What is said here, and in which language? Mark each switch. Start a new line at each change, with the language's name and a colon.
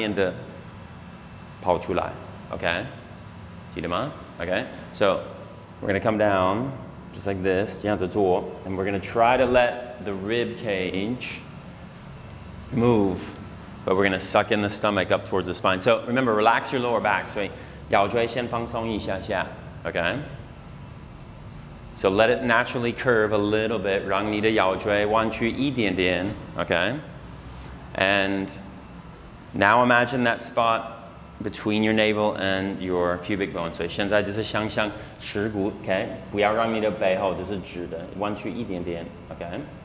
Chinese: 可是记得要让你的肋骨推下面的跑出来, okay? 记得吗?
English: Okay, so we're gonna come down just like this,
Chinese: 这样子做,
English: and we're gonna try to let the rib cage move, but we're gonna suck in the stomach up towards the spine. So remember, relax your lower back. So
Chinese: 腰椎先放松一下下,
English: okay? So let it naturally curve a little bit,
Chinese: 让你的腰椎弯曲一点点,
English: okay? And now imagine that spot between your navel and your pubic bone.
Chinese: So 现在就是想象耻骨, okay? 不要让你的背后就是直的,弯曲一点点, okay?